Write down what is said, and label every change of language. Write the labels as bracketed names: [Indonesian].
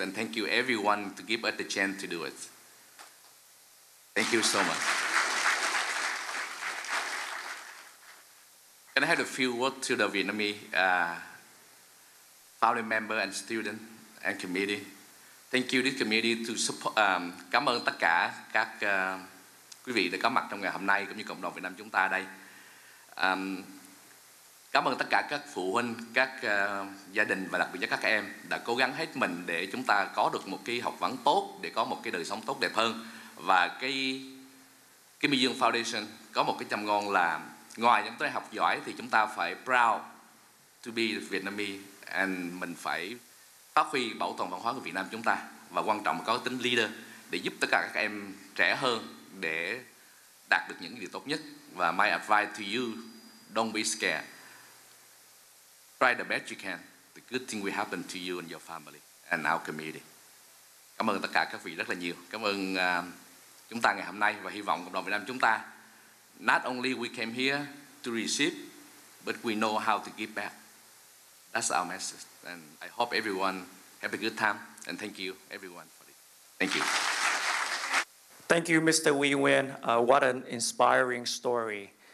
[English] And thank you everyone to give us the chance to do it. Thank you so much. Can I have a few words to the Vietnamese founding member and student and committee? Thank you, this committee, to support. [Vietnamese] Cảm ơn tất cả các quý vị đã có mặt trong ngày hôm nay cũng như cộng đồng Việt Nam chúng ta đây. Cảm ơn tất cả các phụ huynh, các gia đình và đặc biệt nhất các em đã cố gắng hết mình để chúng ta có được một cái học vấn tốt, để có một cái đời sống tốt đẹp hơn. Và cái Kimmy Duong Foundation có một cái châm ngôn là ngoài chúng ta học giỏi thì chúng ta phải [English] proud to be Vietnamese, and [Vietnamese] mình phải phát huy bảo tồn văn hóa của Việt Nam chúng ta, và quan trọng là có tính leader để giúp tất cả các em trẻ hơn để đạt được những điều tốt nhất. Và [English] my advice to you, don't be scared. Try the best you can. The good thing will happen to you and your family and our community. [Vietnamese] Cảm ơn tất cả các vị rất là nhiều. Cảm ơn chúng ta ngày hôm nay và hy vọng cộng đồng Việt Nam chúng ta. [English] Not only we came here to receive, but we know how to give back. That's our message. And I hope everyone have a good time. And thank you, everyone, for it. Thank you. Thank you, Mr. Wee Nguyen. What an inspiring story.